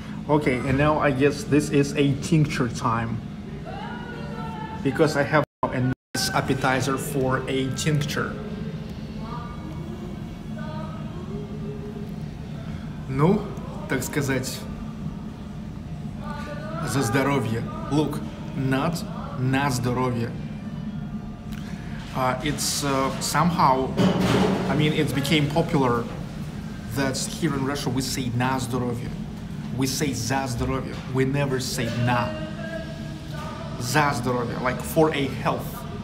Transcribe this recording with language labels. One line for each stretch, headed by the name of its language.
English: Okay, and now I guess this is a tincture time, because I have a nice appetizer for a tincture.
Russian: Ну, так сказать, за здоровье.
English: Look, not
Russian: на здоровье.
English: It's somehow, I mean, it became popular that here in Russia we say
Russian: на здоровье.
English: We say
Russian: za zdorovye.
English: We never say na.
Russian: Za zdorovye,
English: like for a health.